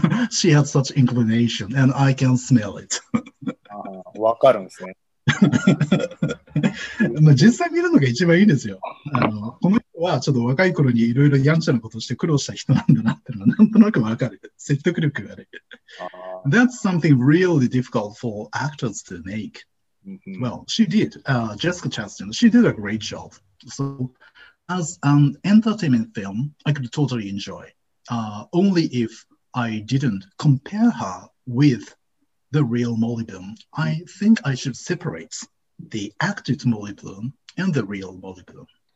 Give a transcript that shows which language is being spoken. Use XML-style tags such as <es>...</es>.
<en>She had such inclination, and I can smell it.</en> <ja>わかるんですね。まあ実際見るのが一番いいんですよ。この人はちょっと若い頃にいろいろやんちゃなことをして苦労した人なんだなっていうのはなんとなくわかる。説得力がある。</ja> <en>That's something really difficult for actors to make. Well, she did. Jessica Chastain, she did a great job. So, as an entertainment film, I could totally enjoy. Only if I didn't compare her with the real Molly Bloom, I think I should separate the acted Molly Bloom and the real Molly Bloom.</en>